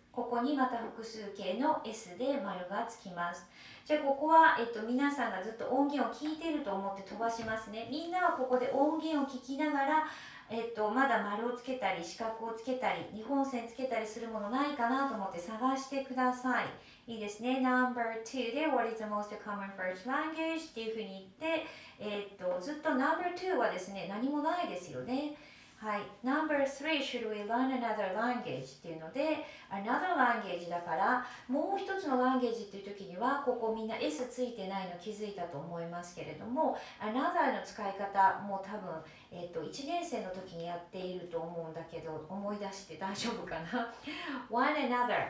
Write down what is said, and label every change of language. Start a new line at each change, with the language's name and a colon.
Japanese: ここにまた複数形の S で丸がつきます。じゃあここは、皆さんがずっと音源を聞いていると思って飛ばしますね。みんなはここで音源を聞きながら、まだ丸をつけたり、四角をつけたり、日本線つけたりするものないかなと思って探してください。いいですね。
English: Number 2で What is the most common first language?
Japanese: っていうふうに言って、ずっと Number 2はですね、何もないですよね。はい。Number 3
English: Should we learn another language?
Japanese: っていうので、Another language だから、もう一つのランゲージっていう時には、ここみんな S ついてないの気づいたと思いますけれども、Another の使い方も多分、1年生の時にやっていると思うんだけど、思い出して大丈夫かな。
English: One another.